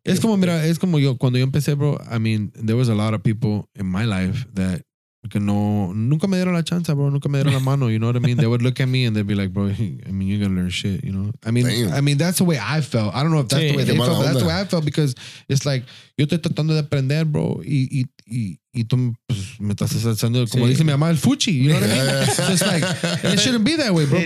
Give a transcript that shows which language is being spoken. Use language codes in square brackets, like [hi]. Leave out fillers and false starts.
[es] Es como yo cuando yo empecé, [en] bro. I mean, there was a lot of people in my life that [es] Porque no, nunca me dieron la chance, bro. Nunca me dieron la mano. [en] You know what I mean? They would look at me and they'd be like, bro, I mean, you're going to learn shit, you know? I mean, that's the way I felt. I don't know if that's the way they felt, but that's the way I felt because it's like, [es] yo estoy tratando de aprender, [en] bro. [es] Y tú pues, me estás haciendo, como dice mi mamá, el fuchi. [en] You know what I mean? Yeah. So it's like, it shouldn't be that way, bro.